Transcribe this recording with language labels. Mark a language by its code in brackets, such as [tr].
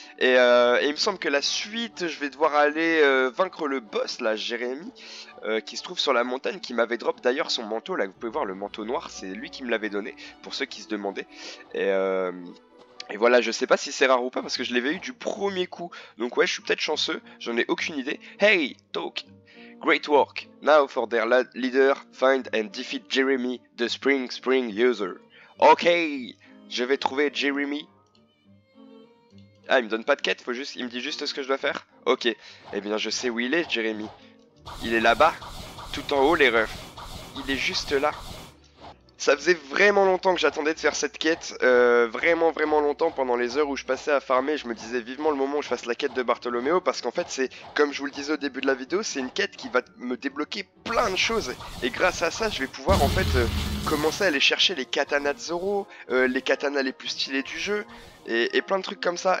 [fr] Et il me semble que la suite, je vais devoir aller vaincre le boss là, Jérémy, qui se trouve sur la montagne, qui m'avait drop d'ailleurs son manteau là. Vous pouvez voir le manteau noir, c'est lui qui me l'avait donné, pour ceux qui se demandaient. Et voilà, je sais pas si c'est rare ou pas parce que je l'avais eu du premier coup. Donc ouais, je suis peut-être chanceux, j'en ai aucune idée. [en] Hey, talk. Great work. Now for their leader, find and defeat Jérémy, the spring user. [fr] Ok, je vais trouver Jérémy. Ah, il me donne pas de quête, il me dit juste ce que je dois faire. Ok, eh bien je sais où il est, Jérémy. Il est là-bas, tout en haut, les refs. Il est juste là. Ça faisait vraiment longtemps que j'attendais de faire cette quête, vraiment longtemps, pendant les heures où je passais à farmer, je me disais vivement le moment où je fasse la quête de Bartholoméo, parce qu'en fait c'est, comme je vous le disais au début de la vidéo, c'est une quête qui va me débloquer plein de choses, et grâce à ça je vais pouvoir en fait commencer à aller chercher les katanas de Zoro, les katanas les plus stylés du jeu, et plein de trucs comme ça.